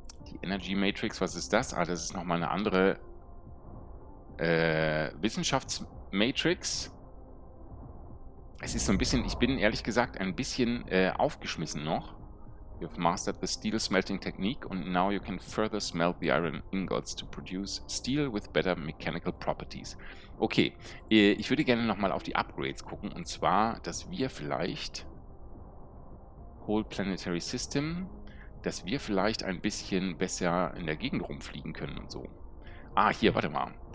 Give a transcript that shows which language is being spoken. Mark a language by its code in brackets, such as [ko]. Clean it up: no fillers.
[de] Die Energy Matrix, was ist das? Ah, das ist nochmal eine andere Wissenschaftsmatrix. Es ist so ein bisschen, ich bin ehrlich gesagt ein bisschen aufgeschmissen noch. [en] You have mastered the steel smelting technique and now you can further smelt the iron ingots to produce steel with better mechanical properties. [de] Okay, ich würde gerne nochmal auf die Upgrades gucken und zwar, dass wir vielleicht Whole Planetary System, dass wir vielleicht ein bisschen besser in der Gegend rumfliegen können und so. Ah, hier, warte mal.